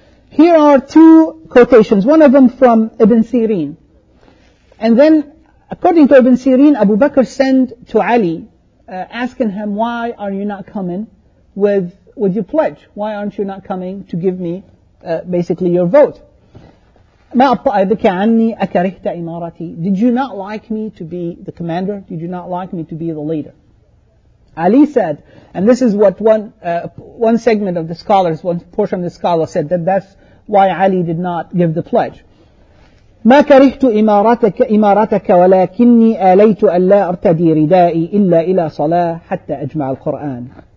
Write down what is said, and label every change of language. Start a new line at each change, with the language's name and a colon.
English: Here are two quotations, one of them from Ibn Sirin. And then, according to Ibn Sirin, Abu Bakr sent to Ali, asking him, why are you not coming with your pledge? Why aren't you not coming to give me, basically, your vote?
Arabic: مَا أَطَّعَذَكَ عَنِّي أَكَرِهْتَ إِمَارَتِي.
English: Did you not like me to be the commander? Did you not like me to be the leader? Ali said, and this is what one segment of the scholars, one portion of the scholar said, that that's why Ali did not give the pledge.
Arabic: مَا كَرِهْتُ إِمَارَتَكَ وَلَكِنِّي آلَيْتُ أَلَّا أَرْتَدِي رِدَائِي إِلَّا إِلَى صَلَاةٍ حَتَّى أَجْمَعَ الْقُرْآنِ.